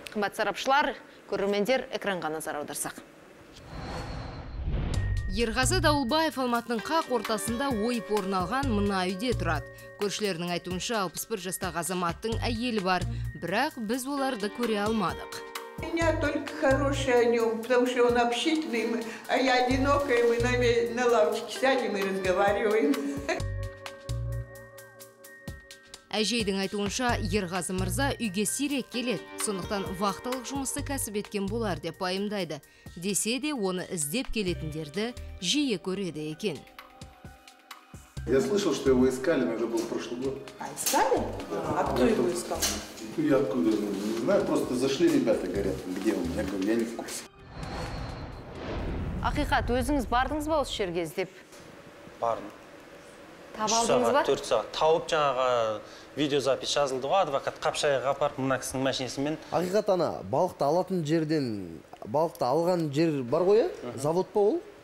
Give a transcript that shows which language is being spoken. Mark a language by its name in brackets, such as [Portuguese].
[Kazakh] Қымбат сарапшылар, көрермендер, экранға назар аударсақ. Ерғазы Дауылбаев Алматының қақ ортасында ойып орын алған мына үйде тұрады. Көршілерінің айтуынша 61 жастағы азаматтың әйелі бар, бірақ біз оларды көре алмадық. [Russian] У меня только хорошее о нем, потому что он общительный, а я одинокая, мы на лавочке сядем и разговариваем. [Kazakh] Әжейдің айтуынша, Ерғазы Мырза үйге сирек келеді, сондықтан вақталық жұмысты кәсіп еткен болар деп пайымдайды. Десе де оны іздеп келетіндерді жиі көреді екен. [Russian] Я слышал, что его искали, но это был в прошлый год. А искали? А кто его искал? Я откуда знаю, не знаю, просто зашли ребята, говорят, где он, я говорю, я не в курсе. [Kazakh] Ақиқат, өзіңіз бардыңыз ба осы жерге іздеп? Бардым. Сағат, 4 сағат. Тауып жаңаға видеозапис жазылды ғой, адвокат қапшайға апарып мына кісінің машинасымен. Ақиқат ана, балықты алатын жерден, балықты алған жер бар ғой, завод па ол?